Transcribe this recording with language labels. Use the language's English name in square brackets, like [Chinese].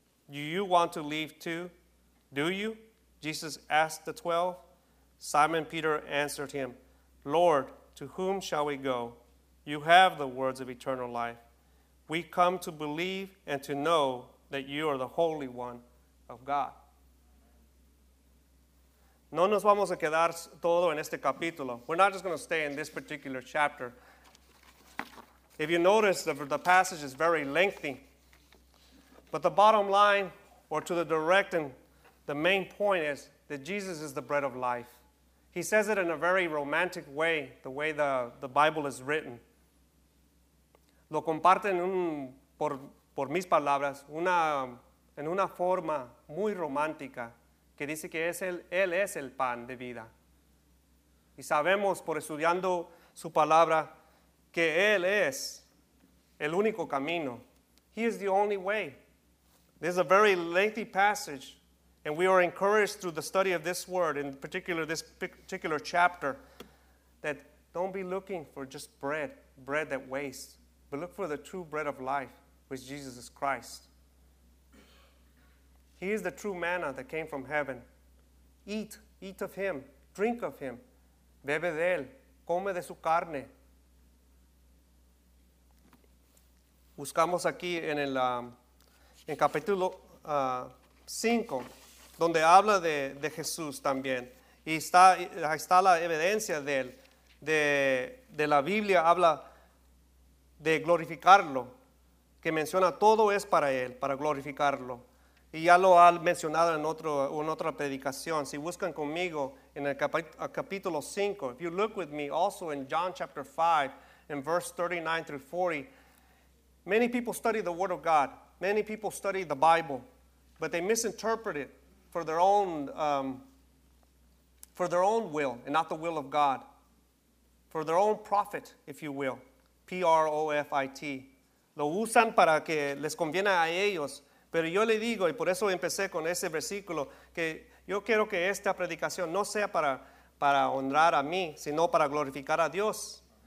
[English] Do you want to leave too? Do you? Jesus asked the 12. Simon Peter answered him, Lord, to whom shall we go? You have the words of eternal life. We come to believe and to know that you are the Holy One of God. [Spanish] No nos vamos a quedar todo en este capítulo. [English] We're not just going to stay in this particular chapter. If you notice, the passage is very lengthy. But the bottom line, or to the direct and the main point is that Jesus is the bread of life. He says it in a very romantic way, the way the Bible is written. [Spanish] Lo comparten por mis palabras, en una forma muy romántica, que dice que él es el pan de vida. Y sabemos por estudiando su palabra que él es el único camino. [English] He is the only way. This is a very lengthy passage, and we are encouraged through the study of this word, in particular this particular chapter, that don't be looking for just bread. bread that wastes, but look for the true bread of life, which Jesus is Christ. He is the true manna that came from heaven. Eat of him, drink of him. [Spanish] Bebe de él, come de su carne. Buscamos aquí en el en capítulo 5, donde habla de Jesús también. Y está la evidencia de él. De la Biblia habla de glorificarlo, que menciona todo es para él, para glorificarlo. Y ya lo ha mencionado en otra predicación. Si buscan conmigo en el capítulo 5, [English] if you look with me also in John chapter 5, in verse 39 through 40, many people study the Word of God. Many people study the Bible, but they misinterpret it for their own will and not the will of God. For their own profit, if you will. P-R-O-F-I-T. [Spanish] Lo usan para que les conviene a ellos. Pero yo le digo, y por eso empecé con ese versículo, que yo quiero que esta predicación no sea para honrar a mí, sino para glorificar a Dios.